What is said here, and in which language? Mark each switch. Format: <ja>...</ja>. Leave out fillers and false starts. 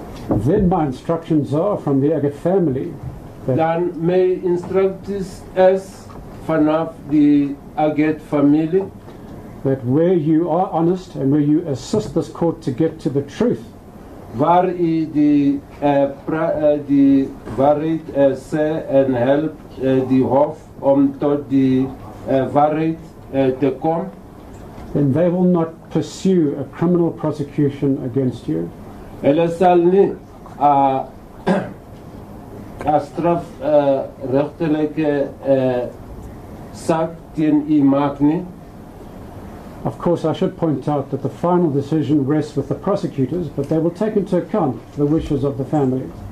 <en>Then my instructions are from the Aggett family.</en> <af>Dan my instructies is vanaf die Aggett family.</af> <en>That where you are honest and where you assist this court to get to the truth.</en> <af>Waar u die die waarheid sê en help die hof om tot die waarheid te kom.</af> <en>Then they will not pursue a criminal prosecution against you.</en> <af>Hulle sal nie a straf regtelike saak teen u maak nie.</af> <en>Of course, I should point out that the final decision rests with the prosecutors, but they will take into account the wishes of the family.</en>